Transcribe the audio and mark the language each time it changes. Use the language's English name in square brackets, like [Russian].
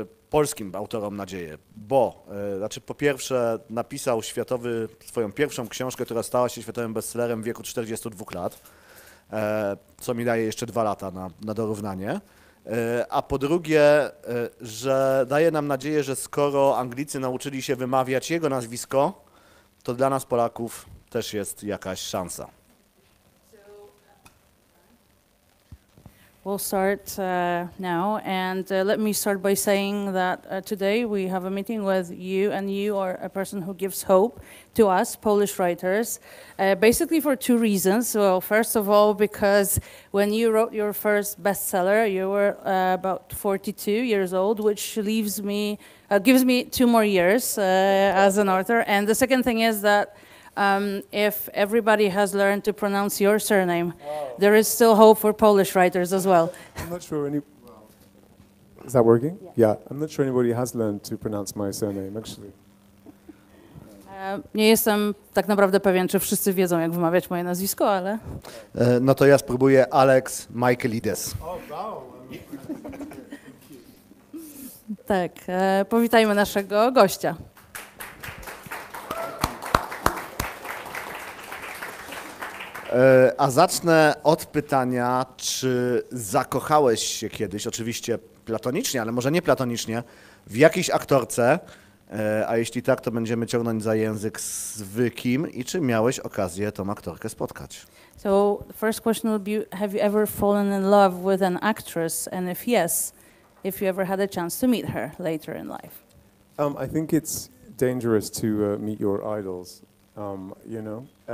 [Polish] Polskim autorom nadzieję, bo znaczy po pierwsze napisał światowy swoją pierwszą książkę, która stała się światowym bestsellerem w wieku 42 lat, co mi daje jeszcze 2 lata na dorównanie. A po drugie, że daje nam nadzieję, że skoro Anglicy nauczyli się wymawiać jego nazwisko, to dla nas Polaków też jest jakaś szansa. [English] We'll start now, and let me start by saying that today we have a meeting with you, and you are a person who gives hope to us Polish writers, basically for 2 reasons. Well, first of all, because when you wrote your first bestseller, you were about 42 years old, which leaves me gives me 2 more years as an author. And the second thing is that if everybody has learned to pronounce your surname, there is still hope for Polish writers as well. I'm not sure any... Is that working? Yeah. I'm not sure anybody has learned to pronounce my surname, actually. [Polish] Nie jestem tak naprawdę pewien, czy wszyscy wiedzą, jak wymawiać moje nazwisko, ale... No to ja spróbuję Alex Michaelides. [English] Oh, wow. [Polish] Tak. Powitajmy naszego gościa. A zacznę od pytania, czy zakochałeś się kiedyś, oczywiście platonicznie, ale może nie platonicznie, w jakiejś aktorce, a jeśli tak, to będziemy ciągnąć za język z wykim, i czy miałeś okazję tą aktorkę spotkać? [English] So, first question would be, have you ever fallen in love with an actress, and if yes, if you ever had a chance to meet her later in life? I think it's dangerous to meet your idols, you know?